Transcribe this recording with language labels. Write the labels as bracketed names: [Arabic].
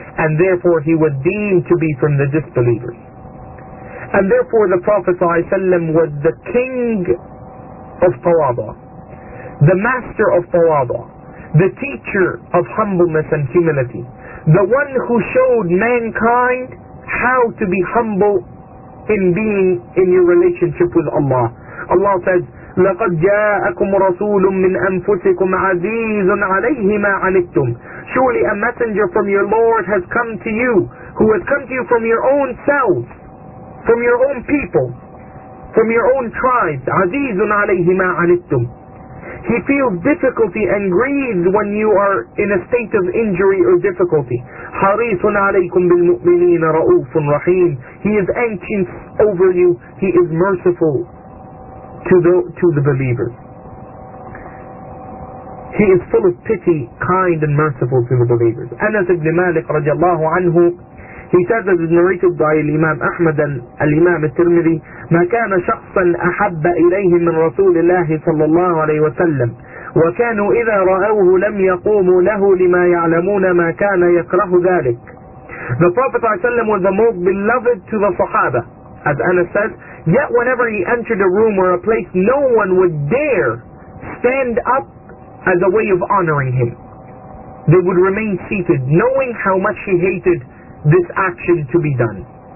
[English] And therefore he was deemed to be from the disbelievers. And therefore the Prophet ﷺ was the king of tawadu, the master of tawadu, the teacher of humbleness and humility, the one who showed mankind how to be humble in being in your relationship with Allah. Allah says, [Arabic] لَقَدْ جَاءَكُمْ رَسُولٌ مِّنْ أَنفُسِكُمْ عَزِيزٌ عَلَيْهِ مَا عَنِتُّمْ. [English] Surely a messenger from your Lord has come to you, who has come to you from your own selves, from your own people, from your own tribes. [Arabic] عَزِيزٌ عَلَيْهِ مَا عَنِتُّمْ. [English] He feels difficulty and grieves when you are in a state of injury or difficulty. [Arabic] حَرِيثٌ عَلَيْكُمْ بِالْمُؤْمِنِينَ رَؤُوفٌ رَحِيمٌ. [English] He is anxious over you, he is merciful to the believers. He is full of pity, kind and merciful to the believers. Anas ibn Malik radiallahu anhu, he says, as narrated by Imam Ahmad and Imam al-Tirmidhi, [Arabic] ما كان شخصا أحب إليه من رسول الله صلى الله عليه وسلم وكانوا إذا رأوه لم يقوموا له لما يعلمون ما كان يكره ذلك. [English] The Prophet was the most beloved to the Sahaba, as Anas says, yet whenever he entered a room or a place, no one would dare stand up as a way of honoring him. They would remain seated, knowing how much he hated this action to be done.